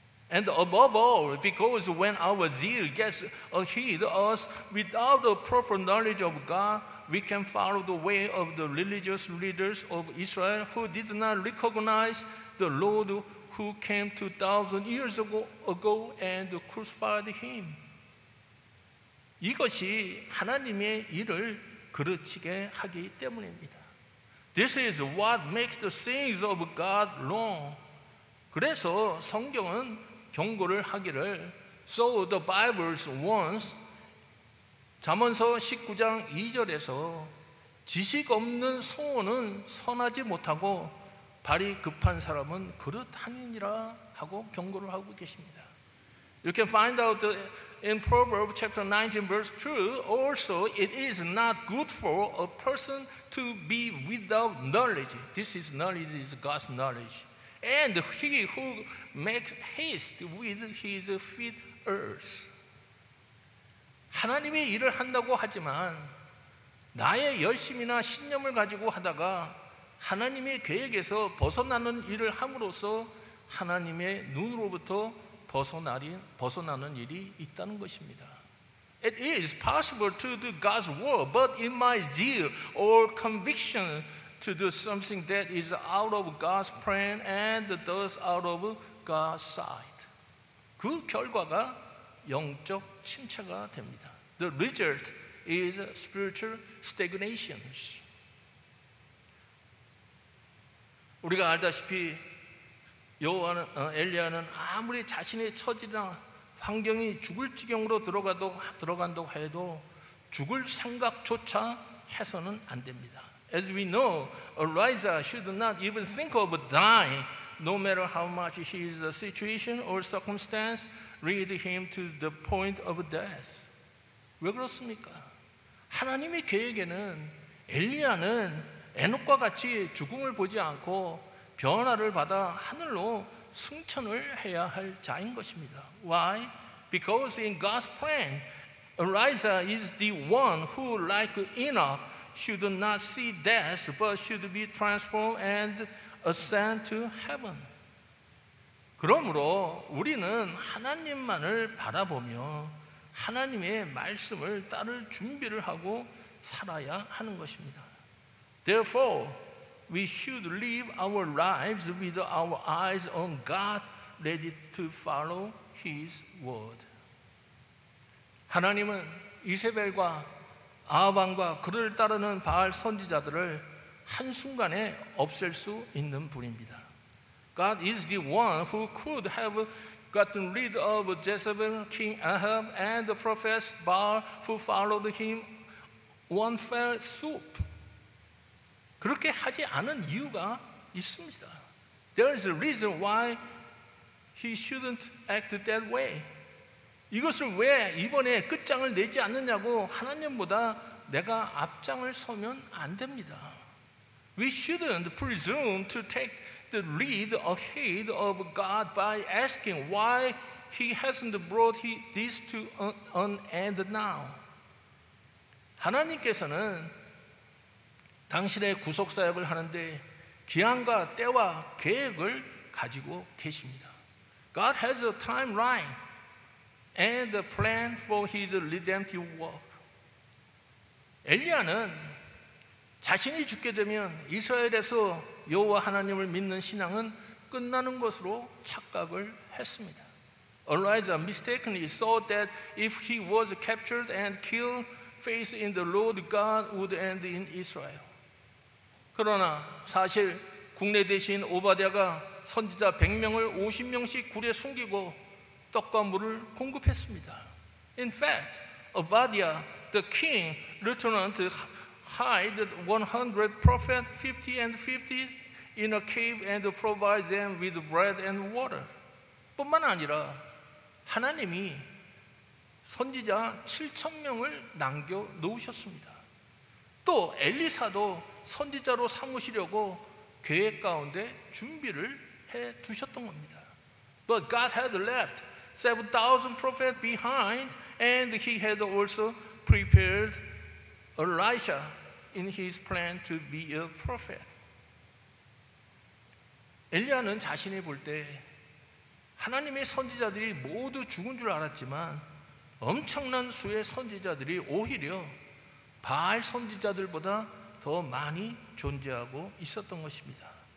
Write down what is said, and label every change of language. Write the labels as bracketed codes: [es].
[en] And above all, because when our zeal gets ahead of us without a proper knowledge of God, we can follow the way of the religious leaders of Israel who did not recognize the Lord who came 2,000 years ago and crucified him. [ko] 이것이 하나님의 일을 그르치게 하기 때문입니다. [en] This is what makes the things of God wrong. [ko] 그래서 성경은 경고를 하기를 [en] So the Bible's warns [ko] 잠언서 19장 2절에서 지식 없는 소원은 선하지 못하고 발이 급한 사람은 그릇하니니라 하고 경고를 하고 계십니다. [en] You can find out in Proverbs chapter 19 verse 2 Also it is not good for a person to be without knowledge. This is knowledge is God's knowledge. And he who makes haste with his feet errs. [ko] 하나님이 일을 한다고 하지만 나의 열심이나 신념을 가지고 하다가 하나님의 계획에서 벗어나는 일을 함으로써 하나님의 눈으로부터 벗어나는 일이 있다는 것입니다. [en] It is possible to do God's work, but in my zeal or conviction, to do something that is out of God's plan and thus out of God's sight. [ko] 그 결과가 영적 침체가 됩니다. [en] The result is spiritual stagnation. [ko] 우리가 알다시피 엘리야는 아무리 자신의 처지나 환경이 죽을 지경으로 들어간다고 해도 죽을 생각조차 해서는 안 됩니다. [en] As we know, Elijah should not even think of dying, no matter how much he is the situation or circumstance lead him to the point of death. [ko] 왜 그렇습니까? 하나님의 계획에는 엘리야는 에녹과 같이 죽음을 보지 않고 변화를 받아 하늘로 승천을 해야 할 자인 것입니다. [en] Why? Because in God's plan, Elijah is the one who, like Enoch, should not see death, but should be transformed and ascend to heaven. [ko] 그러므로 우리는 하나님만을 바라보며 하나님의 말씀을 따를 준비를 하고 살아야 하는 것입니다. [en] Therefore, we should live our lives with our eyes on God, ready to follow His word. [ko] 하나님은 이세벨과 아합왕과 그를 따르는 바알 선지자들을 한순간에 없앨 수 있는 분입니다. [en] God is the one who could have gotten rid of Jezebel, King Ahab, and the prophets Baal who followed him one fell swoop. [ko] 그렇게 하지 않은 이유가 있습니다. [en] There is a reason why he shouldn't act that way. [ko] 이것을 왜 이번에 끝장을 내지 않느냐고 하나님보다 내가 앞장을 서면 안 됩니다. [en] We shouldn't presume to take the lead ahead of God by asking why he hasn't brought this to an end now. [ko] 하나님께서는 당신의 구속사역을 하는데 기한과 때와 계획을 가지고 계십니다. [en] God has a timeline and a plan for his redemptive work. [ko] 엘리야는 자신이 죽게 되면 이스라엘에서 여호와 하나님을 믿는 신앙은 끝나는 것으로 착각을 했습니다. [en] Elijah mistakenly thought that if he was captured and killed, faith in the Lord God would end in Israel. [ko] 그러나 사실 국내 대신 오바댜가 선지자 100명을 50명씩 굴에 숨기고 떡과 물을 공급했습니다. [en] In fact, Obadiah, the king, lieutenant, hide 100 prophets, 50 and 50 in a cave and provide them with bread and water. [ko] 뿐만 아니라 하나님이 선지자 7,000명을 남겨 놓으셨습니다. 또 엘리사도 선지자로 삼으시려고 계획 가운데 준비를 해 두셨던 겁니다. [en] But God had left 7,000 prophets behind and he had also prepared Elisha in his plan to be a prophet. [ko] 엘리야는 자신이 볼 때 하나님의 선지자들이 모두 죽은 줄 알았지만 엄청난 수의 선지자들이 오히려 바알 선지자들보다 더 많이 존재하고 있었던 것입니다.